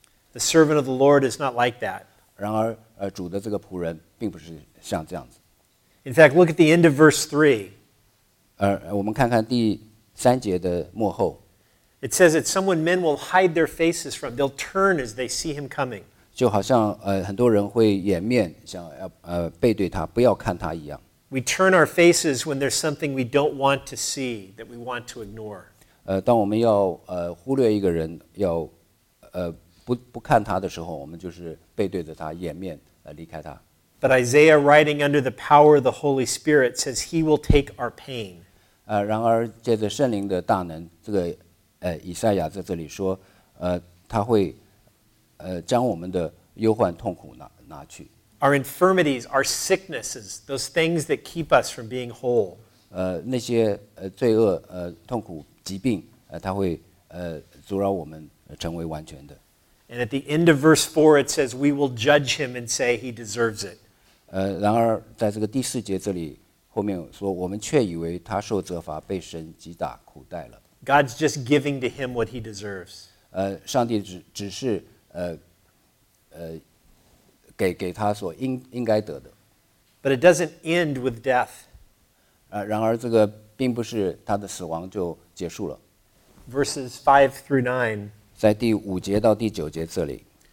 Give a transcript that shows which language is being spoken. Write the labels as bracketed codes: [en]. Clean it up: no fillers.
[en] The servant of the Lord is not like that. [zh] 然而主的这个仆人并不是像这样子。 [en] In fact, look at the end of verse 3. [zh] 我们看看第三节的末后。 [en] It says that someone men will hide their faces from. They'll turn as they see him coming. [zh] 就好像很多人会掩面，想要背对他，不要看他一样。 [en] We turn our faces when there's something we don't want to see that we want to ignore. [zh] 当我们要忽略一个人，要不看他的时候，我们就是背对着他，掩面离开他。 [en] But Isaiah, writing under the power of the Holy Spirit, says he will take our pain. [zh] 然而借着圣灵的大能，这个以赛亚在这里说，他会将我们的忧患痛苦拿去。 [en] Our infirmities, our sicknesses, those things that keep us from being whole. [zh] 那些罪恶痛苦疾病他会阻扰我们成为完全的。 [en] And at the end of verse 4, it says we will judge him and say he deserves it. [zh] 然而在这个第四节这里后面说，我们却以为他受责罚，被神击打苦待了。 [en] God's just giving to him what he deserves. [zh] 上帝只是给他所应该得的。 [en] But it doesn't end with death. [zh] 然而这个并不是他的死亡就结束了。 [en] Verses 5-9. [zh] 在第五节到第九节这里。